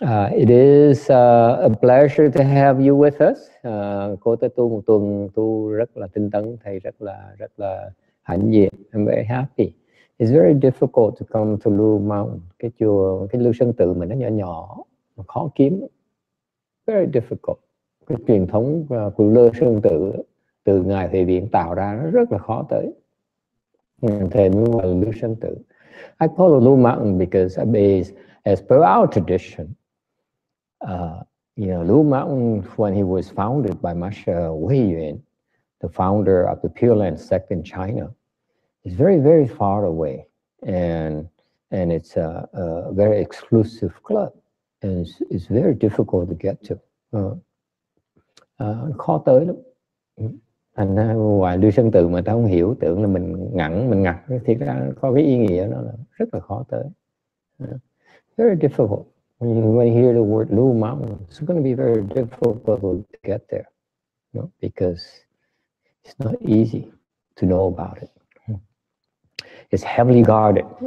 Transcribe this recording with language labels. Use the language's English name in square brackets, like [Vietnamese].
[English] It is a pleasure to have you with us. [Vietnamese] Cô tới tu một tuần, tu rất là tinh tấn, thầy rất là hạnh diện. [English] I'm very happy. It's very difficult to come to Lu Mount, [Vietnamese] cái chùa, cái Lưu Sơn Tự mình nó nhỏ nhỏ, mà khó kiếm. [English] Very difficult. [Vietnamese] Cái truyền thống của Lưu Sơn Tự từ ngày thầy Viện tạo ra nó rất là khó tới. Thầy mới gọi là Lưu Sơn Tự. [English] I call it Lu Mount because I base as per our tradition, Lu Mountain, when he was founded by Master Wei Yuan, the founder of the Pure Land sect in China, is very, very far away, and it's a very exclusive club, and it's very difficult to get to. [Vietnamese] Khó tới lắm. Thành ra ngoài Lưu Sơn Tự mà ta không hiểu, tưởng là mình ngặt, thì ra có cái ý nghĩa nó là rất là khó tới. [English] Very difficult. When you hear the word Lu Mountain, it's going to be very difficult to get there, you know, because it's not easy to know about it. It's heavily guarded.